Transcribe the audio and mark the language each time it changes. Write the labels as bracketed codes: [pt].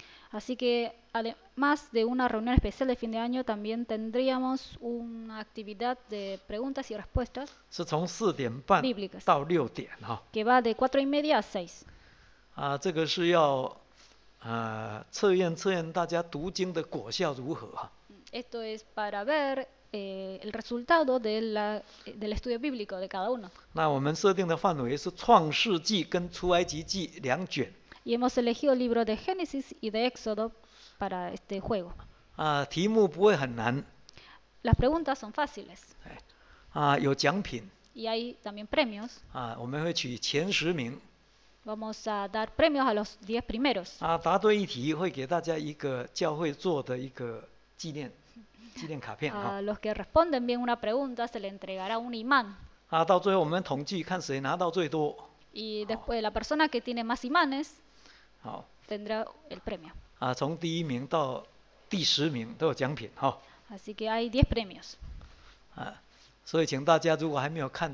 [es] Así que además de una reunión especial de fin de año, también tendríamos una actividad de preguntas y respuestas. [zh] 是从4:30 [es] bíblicas, [zh] 到6点哈。 [es] Que va de 4:30 a 6. [zh] 这个是要测验测验大家读经的果效如何。 [es] Esto es para ver el resultado de del estudio bíblico de cada uno. [zh] 那我们设定的范围是创世纪跟出埃及记两卷。 [es] Y hemos elegido el libro de Génesis y de Éxodo para este juego. [zh] 题目不会很难。 [es] Las preguntas son fáciles. [zh] 有奖品。 [es] Y hay también premios. [zh] 我们会取前十名。 [es] Vamos a dar premios a los 10 primeros. [zh] 答对一题会给大家一个教会做的一个纪念卡片。 [es] Los que responden bien una pregunta se le entregará un imán. [zh] 到最后我们统计看谁拿到最多。 [es] Y después la persona que tiene más imanes tendrá el premio. [zh] 从第一名到第十名都有奖品。 [es] Así que hay 10 premios. [zh] 所以请大家如果还没有看见